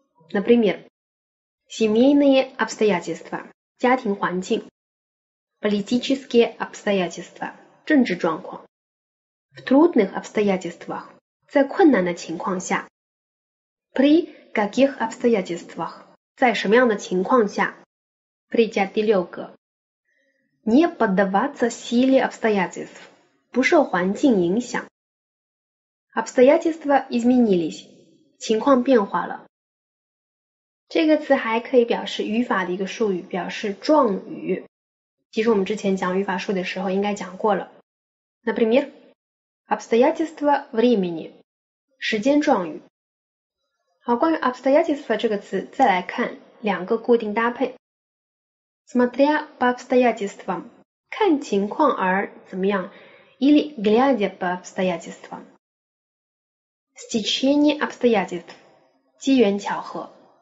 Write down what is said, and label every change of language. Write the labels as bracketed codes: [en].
[ru] Например, семейные обстоятельства [zh] 家庭环境 [ru] политические обстоятельства [zh] 政治状况 [ru] в трудных обстоятельствах [zh] 在困难的情况下 [ru] при каких обстоятельствах 在什么样的情况下 при 加第六个не поддаваться силе обстоятельств [zh] 不受环境影响 [ru] обстоятельства изменились [zh] 情况变化了这个词还可以表示语法的一个术语，表示状语。其实我们之前讲语法术的时候应该讲过了。 [ru] Например, обстоятельства времени, [zh] 时间状语。好，关于 обстоятельства 这个词再来看两个固定搭配。 [ru] Смотря по обстоятельствам, [zh] 看情况而怎么样。 [ru] Или глядя по обстоятельствам, стечение обстоятельств, [zh] 机缘巧合。